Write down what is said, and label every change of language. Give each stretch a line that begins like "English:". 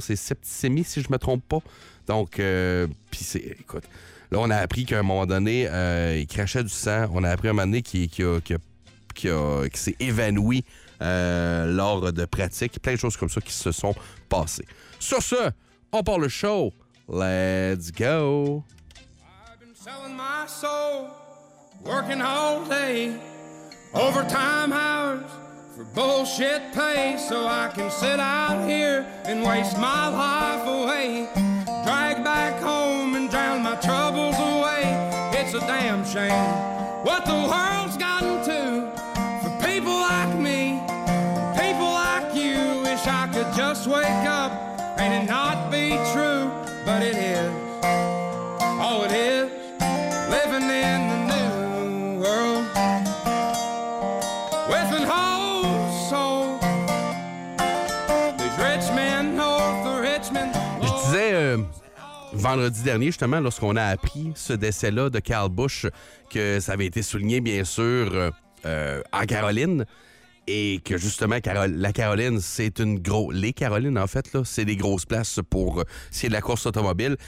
French: C'est septicémie, si je me trompe pas. Donc, écoute. Là, on a appris qu'à un moment donné, il crachait du sang. On a appris à un moment donné qu'il s'est évanoui lors de pratiques. Plein de choses comme ça qui se sont passées. Sur ce, on part le show.
English: Let's go! I've been selling my soul, working all day, overtime hours for bullshit pay, so I can sit out here and waste my life away, drag back home and drown my troubles away. It's a damn shame what the world's gotten to for people like me, people like you. Wish I could just wake up and it not be true. But it is, oh, it is, living in the new world with an old soul. These rich men know the rich men.
French: Je disais, vendredi dernier, justement, lorsqu'on a appris ce décès-là de Kyle Busch, que ça avait été souligné, bien sûr, en Caroline. Et que justement, la Caroline, c'est une grosse... Les Carolines, en fait, là, c'est des grosses places pour ce qui est de la course automobile.